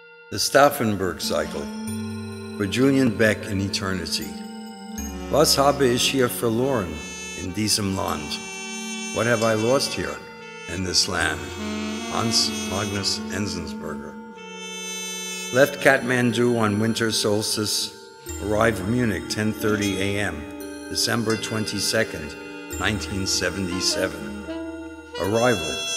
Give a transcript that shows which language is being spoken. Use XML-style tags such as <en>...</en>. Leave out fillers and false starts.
<en>The Stauffenberg Cycle, for Julian Beck in eternity.</en> <de>Was habe ich hier verloren in diesem Land?</de> <en>What have I lost here in this land? Hans Magnus Enzensberger. Left Kathmandu on winter solstice, arrived Munich 10:30 a.m., December 22nd, 1977. Arrival.</en>